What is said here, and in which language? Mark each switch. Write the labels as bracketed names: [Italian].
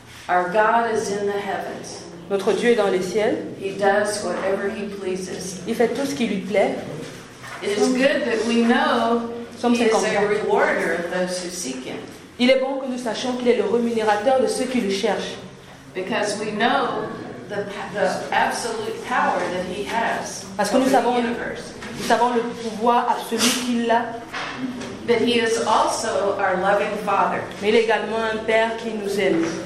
[English] Our God is in the heavens. [French] Notre Dieu est dans les ciels. [English] He does whatever he pleases. [French] Il fait tout ce qui lui plaît. [English] It is good that we know he is a rewarder of those who seek him. [French] Il est bon que nous sachions qu'il est le rémunérateur de ceux qui le cherchent. [English] Because we know the absolute power that he has. [French] Parce que nous savons le pouvoir absolu qu'il a. [English] But he is also our loving father. [French] Mais il est également un père qui nous aime.